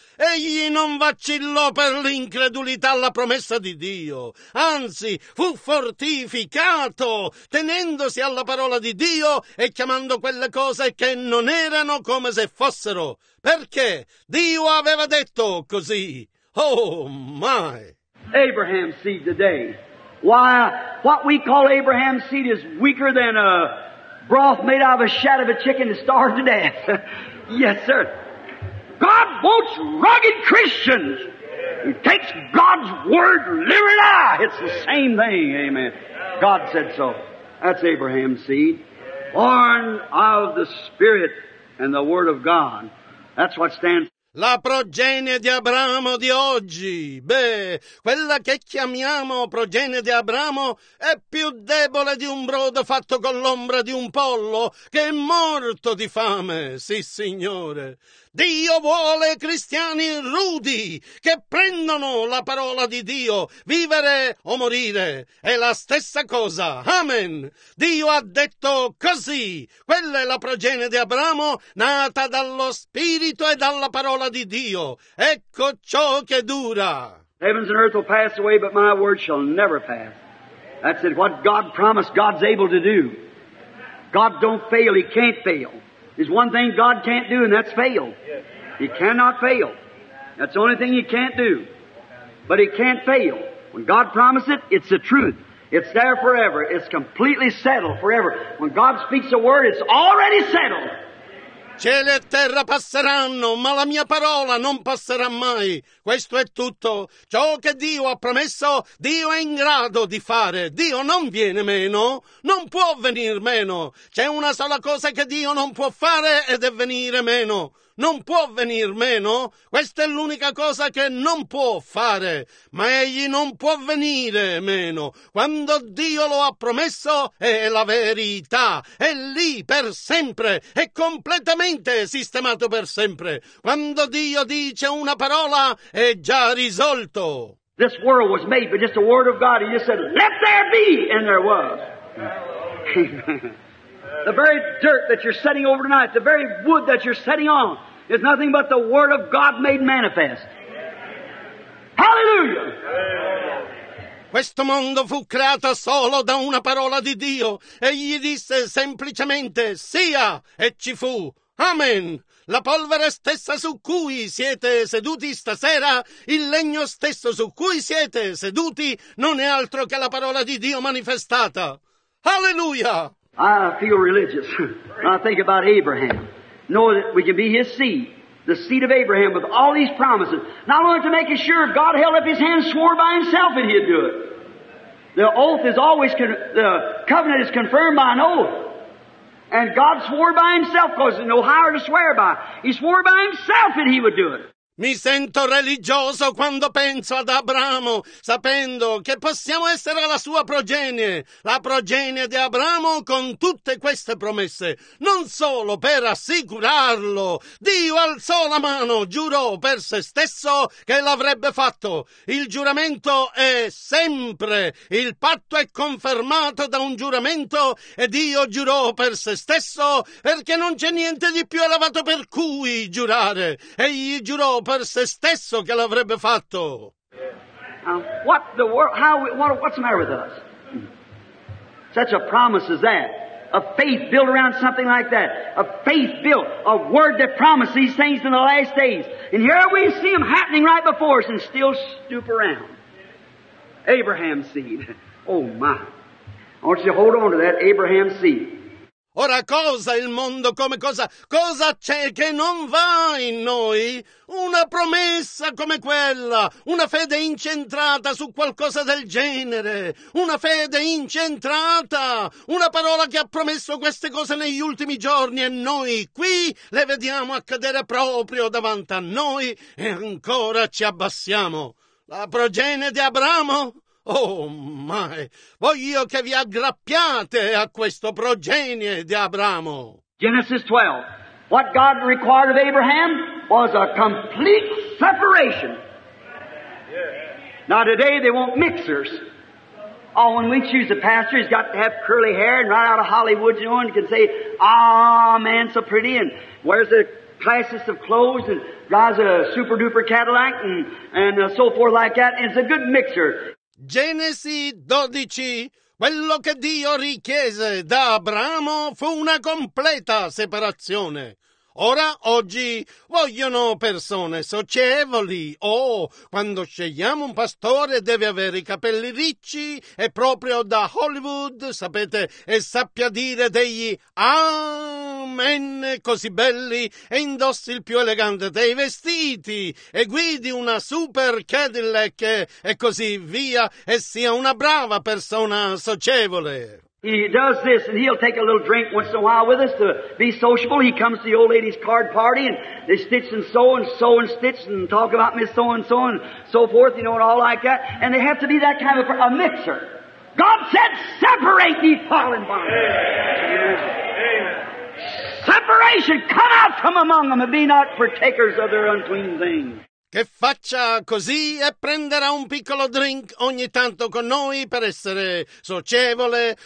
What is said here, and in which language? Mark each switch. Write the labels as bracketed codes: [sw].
[it] Egli non vacillò per l'incredulità alla promessa di Dio. Anzi, fu fortificato, tenendosi alla parola di Dio e chiamando quelle cose che non erano come se fossero. Perché Dio aveva detto così. [en] Oh, my. Abraham seed today. Why, what we call Abraham's seed is weaker than a broth made out of a shad of a chicken to starve to death. Yes, sir. God wants rugged Christians. He takes God's word, live or die. It's the same thing, amen. God said so. That's Abraham's seed. Born of the Spirit and the Word of God. That's what stands. [it] La progenie di Abramo di oggi, beh, quella che chiamiamo progenie di Abramo è più debole di un brodo fatto con l'ombra di un pollo che è morto di fame, sì signore. Dio vuole cristiani rudi che prendano la parola di Dio, vivere o morire, è la stessa cosa. Amen. Dio ha detto così. Quella è la progenie di Abramo, nata dallo Spirito e dalla parola di Dio. Ecco ciò che dura. [en] Heavens and earth will pass away, but my word shall never pass. That's it. What God promised, God's able to do. God don't fail. He can't fail. There's one thing God can't do, and that's fail. He cannot fail. That's the only thing He can't do. But He can't fail. When God promised it, it's the truth. It's there forever. It's completely settled forever. When God speaks a word, it's already settled. [it] Cielo e terra passeranno, ma la mia parola non passerà mai. Questo è tutto. Ciò che Dio ha promesso, Dio è in grado di fare. Dio non viene meno, non può venir meno. C'è una sola cosa che Dio non può fare ed è venire meno. Non può venir meno, questa è l'unica cosa che non può fare, ma egli non può venire meno. Quando Dio lo ha promesso, è la verità, è lì per sempre, è completamente sistemato per sempre. Quando Dio dice una parola, è già risolto. [en] This world was made by just the word of God. He just said, let there be, and there was. The very dirt that you're sitting over tonight, the very wood that you're sitting on, is nothing but the Word of God made manifest. Hallelujah! [it] Questo mondo fu creato solo da una parola di Dio. Egli disse semplicemente, sia, e ci fu. Amen! La polvere stessa su cui siete seduti stasera, il legno stesso su cui siete seduti, non è altro che la parola di Dio manifestata. Hallelujah! [en] I feel religious when I think about Abraham. Know that we can be his seed, the seed of Abraham with all these promises. Not only to make it sure, God held up his hand, swore by himself that he'd do it. The oath is always, the covenant is confirmed by an oath. And God swore by himself because there's no higher to swear by. He swore by himself that he would do it. [it] Mi sento religioso quando penso ad Abramo, sapendo che possiamo essere la sua progenie, la progenie di Abramo con tutte queste promesse, non solo per assicurarlo. Dio alzò la mano, giurò per se stesso che l'avrebbe fatto. Il giuramento è sempre, il patto è confermato da un giuramento e Dio giurò per se stesso perché non c'è niente di più elevato per cui giurare. Egli giurò per se stesso che l'avrebbe fatto. [en] What's the matter with us? Such a promise as that. A faith built around something like that. A faith built, a word that promised these things in the last days. And here we see them happening right before us and still stoop around. Abraham's seed. Oh my. I want you to hold on to that Abraham's seed. [it] Ora cosa il mondo, come cosa c'è che non va in noi? Una promessa come quella, una fede incentrata su qualcosa del genere, una fede incentrata, una parola che ha promesso queste cose negli ultimi giorni e noi qui le vediamo accadere proprio davanti a noi e ancora ci abbassiamo. La progenie di Abramo? Oh, mai! Voglio che vi aggrappiate a questo progenie di Abramo. [en] Genesis 12. What God required of Abraham was a complete separation. Now today they want mixers. Oh, when we choose a pastor, he's got to have curly hair and right out of Hollywood, you know, and can say, ah, man, so pretty, and wears the classiest of clothes, and drives a super-duper Cadillac, and so forth like that, and it's a good mixer. [it] Genesi 12, quello che Dio richiese da Abramo fu una completa separazione. Ora, oggi, vogliono persone socievoli. Oh, quando scegliamo un pastore deve avere i capelli ricci e proprio da Hollywood, sapete, e sappia dire degli amen così belli e indossi il più elegante dei vestiti e guidi una super Cadillac e così via e sia una brava persona socievole. [en] He does this, and he'll take a little drink once in a while with us to be sociable. He comes to the old lady's card party, and they stitch and sew and stitch and talk about Miss so-and-so and so forth, you know, and all like that. And they have to be that kind of a mixer. God said, separate ye fallen bodies. Amen. Separate. separation. Come out from among them and be not partakers of their unclean things. [it] Che faccia così e prenderà un piccolo drink ogni tanto con noi per essere socievole.